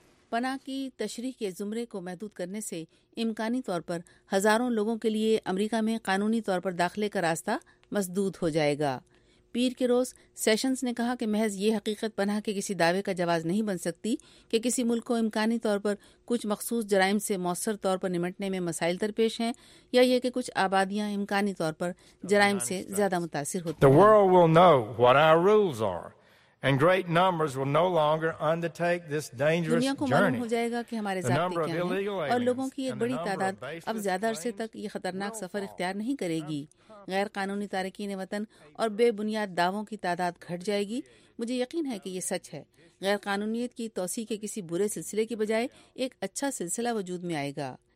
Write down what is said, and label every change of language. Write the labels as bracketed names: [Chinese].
[Urdu] پناہ کی تشریح کے زمرے کو محدود کرنے سے امکانی طور پر ہزاروں لوگوں کے لیے امریکہ میں قانونی طور پر داخلے کا راستہ مسدود ہو جائے گا۔ پیر کے روز سیشنز نے کہا کہ محض یہ حقیقت پناہ کے کسی دعوے کا جواز نہیں بن سکتی کہ کسی ملک کو امکانی طور پر کچھ مخصوص جرائم سے مؤثر طور پر نمٹنے میں مسائل درپیش ہیں یا یہ کہ کچھ آبادیاں امکانی طور پر جرائم سے زیادہ متاثر ہوتی ہیں۔ [English] The world will know what our rules are and great numbers will no longer undertake this dangerous journey۔ [Urdu] دنیا کو معلوم ہو جائے گا کہ ہمارے ضابطے کیا ہیں اور لوگوں کی ایک بڑی تعداد اب زیادہ عرصے تک یہ خطرناک سفر اختیار نہیں کرے گی۔ غیر قانونی تارکین وطن اور بے بنیاد دعووں کی تعداد گھٹ جائے گی۔ مجھے یقین ہے کہ یہ سچ ہے۔ غیر قانونیت کی توسیع کے کسی برے سلسلے کی بجائے ایک اچھا سلسلہ وجود میں آئے گا۔